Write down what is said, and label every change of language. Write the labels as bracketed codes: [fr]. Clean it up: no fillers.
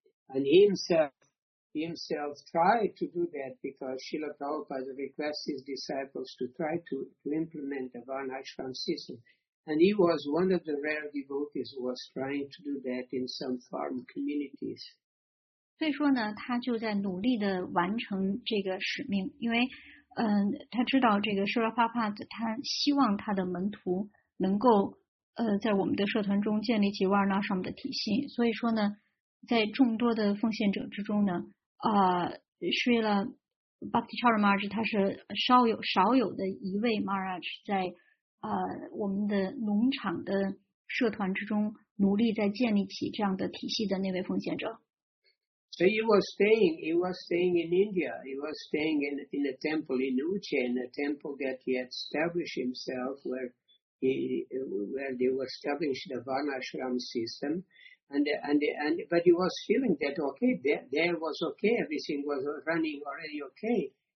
[en] And himself tried to do that because Srila Prabhupada requested his disciples to try to implement the Varnashram system. And he was one of the rare devotees who was trying to do that in some farm communities. [zh] 所以说呢，他就在努力地完成这个使命，因为，他知道这个舍拉帕帕的，他希望他的门徒能够，在我们的社团中建立起瓦尔纳什姆的体系。所以说呢，在众多的奉献者之中呢，舍拉巴提查尔玛什他是少有的一位玛尔什在，我们的农场的社团之中努力在建立起这样的体系的那位奉献者。 [en] So he was staying in India. He was staying in a temple in Uchen, a temple that he had established himself where they were establishing the Varnashram system. But he was feeling that, okay, there was okay, everything was running already okay.